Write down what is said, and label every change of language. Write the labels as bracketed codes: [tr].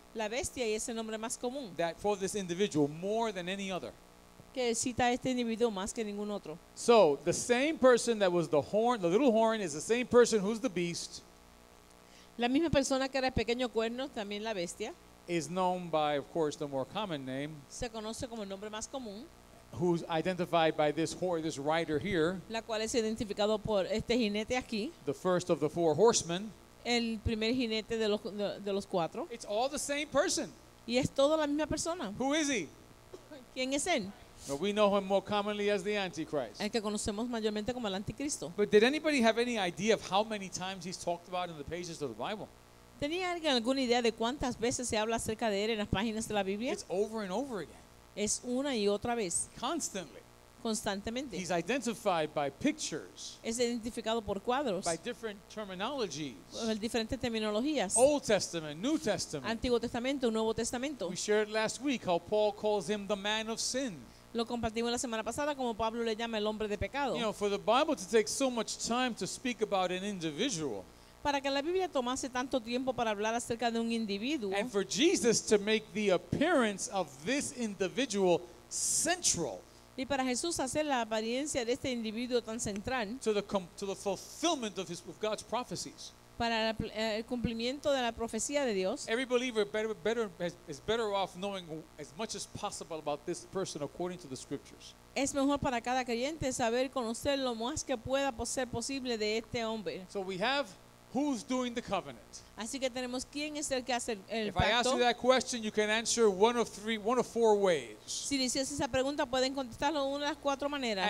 [es] La bestia y ese nombre más común. [en] That for this individual more than any other. [es] Que cita este individuo más que ningún otro. [en] So the same person that was the horn, the little horn, is the same person who's the beast. [es] La misma persona que era el pequeño cuerno, también la bestia. [en] Is known by, of course, the more common name. [es] Se conoce como el nombre más común. [en] Who's identified by this horse, this rider here? [es] La cual es identificado por este jinete aquí. [en] The first of the four horsemen. [es] El primer jinete de los cuatro. [en] It's all the same person. [es] Y es toda la misma persona. [en] Who is he? [es] ¿Quién es él? [en] But we know him more commonly as the Antichrist. [es] El que conocemos mayormente como el Anticristo. [en] But did anybody have any idea of how many times he's talked about in the pages of the Bible? [es] ¿Tenía alguien alguna idea de cuántas veces se habla acerca de él en las páginas de la Biblia? [en] It's over and over again. [es] Es una y otra vez. [en] Constantly. [es] Constantemente. [en] He's identified by pictures. [es] Es identificado por cuadros. [en] By different terminologies. [es] Por diferentes terminologías. [en] Old Testament, New Testament. [es] Antiguo Testamento, Nuevo Testamento. [en] We shared last week how Paul calls him the man of sin. [es] Lo compartimos la semana pasada como Pablo le llama el hombre de pecado. [en] You know, for the Bible to take so much time to speak about an individual. [es] Para que la Biblia tomase tanto tiempo para hablar acerca de un individuo. [en] And for Jesus to make the appearance of this individual central. [es] Y para Jesús hacer la apariencia de este individuo tan central. [en] To the fulfillment of his, of God's prophecies. [es] Para el cumplimiento de la profecía de Dios. [en] Every believer is better off knowing as much as possible about this person according to the scriptures. [es] Es mejor para cada creyente saber conocer lo más que pueda ser posible de este hombre. [en] So we have who's doing the covenant. [es] Así que tenemos quién es el que hace el pacto. [en] If I ask you that question, you can answer one of four ways. [es] Si le hiciese esa pregunta, pueden contestarlo una de las cuatro maneras.